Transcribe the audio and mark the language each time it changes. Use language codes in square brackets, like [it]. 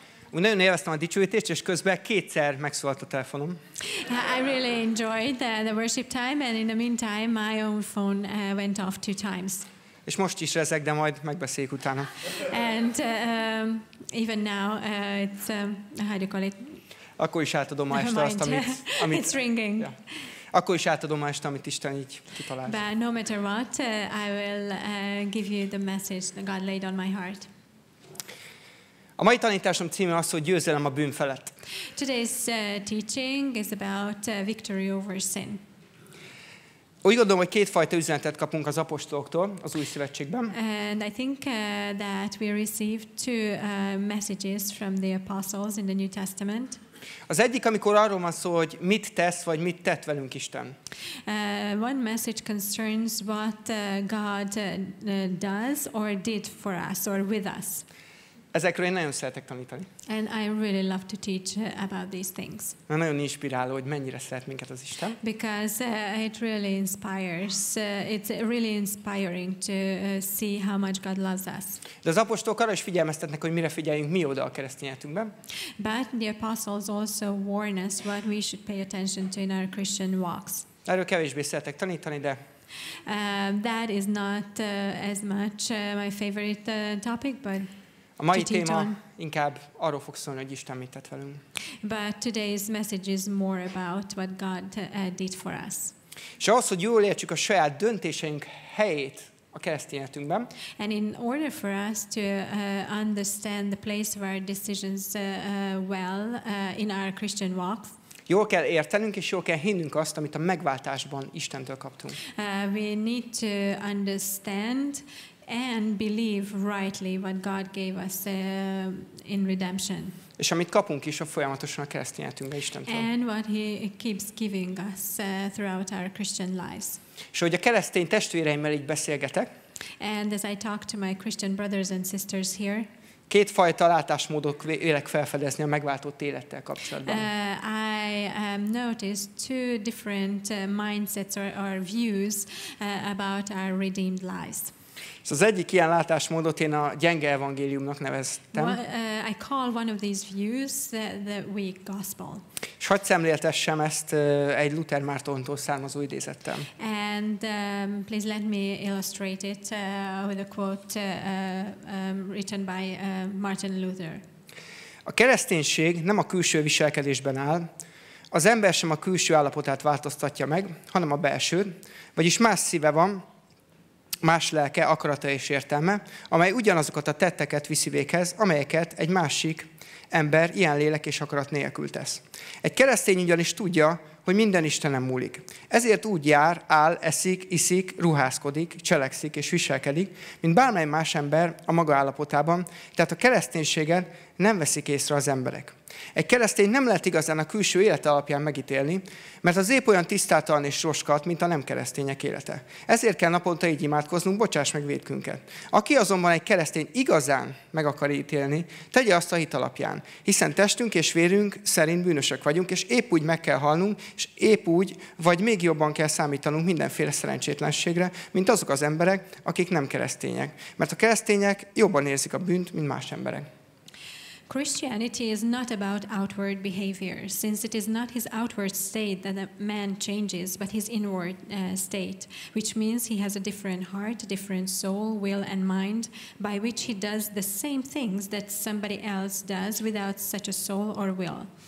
[hu] Úgy nagyon élveztem a dicsőítést, és közben kétszer megszólalt a telefonom. [en] I really enjoyed the worship time, and in the meantime, my own phone went off two times. [hu] És most is rezeg, de majd megbeszéljük utána. [en] And even now, it's, how do you call it? [hu] Akkor is átadom ma este azt, amit [en] it's ringing. Yeah. [hu] Akkor is átadom azt, amit Isten így kitalált. [en] But no matter what, I will give you the message that God laid on my heart. [hu] A mai tanításom címe az, hogy győzelem a bűn felett. [en] Today's teaching is about victory over sin. [hu] Úgy gondolom, hogy kétfajta üzenetet kapunk az apostoloktól az Új Szövetségben. [en] And I think that we received two messages from the apostles in the New Testament. [hu] Az egyik, amikor arról van szó, hogy mit tesz, vagy mit tett velünk Isten. [en] One message concerns what God does or did for us or with us. [hu] Ezekről én nagyon szeretek tanítani. [en] And I really love to teach about these things. [hu] Na, nagyon inspiráló, hogy mennyire szeret minket az Isten. [en] Because it really inspires. It's really inspiring to see how much God loves us. [hu] De az apostolok arra is figyelmeztetnek, hogy mire figyeljünk mi oda a keresztény életünkben. [en] But the apostles also warn us what we should pay attention to in our Christian walks. [hu] Erről kevésbé szeretek tanítani, de [en] That is not as much my favorite topic, but [hu] a mai téma inkább arról fog szólni, hogy Isten mit tett velünk. [en] But today's message is more about what God did for us. [hu] És ahhoz, hogy jól értsük a saját döntéseink helyét a keresztény életünkben. [en] And in order for us to understand the place of our decisions well in our Christian walks. [hu] Jól kell értenünk, és jól kell hinnünk azt, amit a megváltásban Istentől kaptunk. [en] We need to understand and believe rightly what God gave us in redemption. [hu] És amit kapunk is a folyamatosan a keresztény életünkben Istentől. [en] And what he keeps giving us throughout our Christian lives. [hu] És hogy a keresztény testvéreimmel így beszélgetek. [en] And as I talk to my Christian brothers and sisters here. [hu] Kétfajta látásmódot élek felfedezni a megváltott élettel kapcsolatban. [en] I noticed two different mindsets or views about our redeemed lives. [hu] Szóval az egyik ilyen látásmódot én a gyenge evangéliumnak neveztem. [en] I call one of these views the weak gospel. [hu] És hadd szemléltessem ezt egy Luther Mártontól származó idézettel. [en] And please let me illustrate it with a quote written by Martin Luther. [hu] A kereszténység nem a külső viselkedésben áll. Az ember sem a külső állapotát változtatja meg, hanem a belső, vagyis más szíve van, más lelke, akarata és értelme, amely ugyanazokat a tetteket viszi véghez, amelyeket egy másik ember ilyen lélek és akarat nélkül tesz. Egy keresztény ugyanis tudja, hogy minden Istenen múlik. Ezért úgy jár, áll, eszik, iszik, ruházkodik, cselekszik és viselkedik, mint bármely más ember a maga állapotában, tehát a kereszténységet nem veszik észre az emberek. Egy keresztény nem lehet igazán a külső élete alapján megítélni, mert az épp olyan tisztátalan és roskat, mint a nem keresztények élete. Ezért kell naponta így imádkoznunk, bocsáss meg vétkünket. Aki azonban egy keresztény igazán meg akar ítélni, tegye azt a hit alapján, hiszen testünk és vérünk szerint bűnösök vagyunk, és épp úgy meg kell halnunk, és épp úgy, vagy még jobban kell számítanunk mindenféle szerencsétlenségre, mint azok az emberek, akik nem keresztények. Mert a keresztények jobban érzik a bűnt, mint más emberek. [en] Christianity is not about outward behavior, since it is not his outward state that a man changes, but his inward state, which means he has a different heart, a different soul, will, and mind, by which he does the same things that somebody else does without such a soul or will.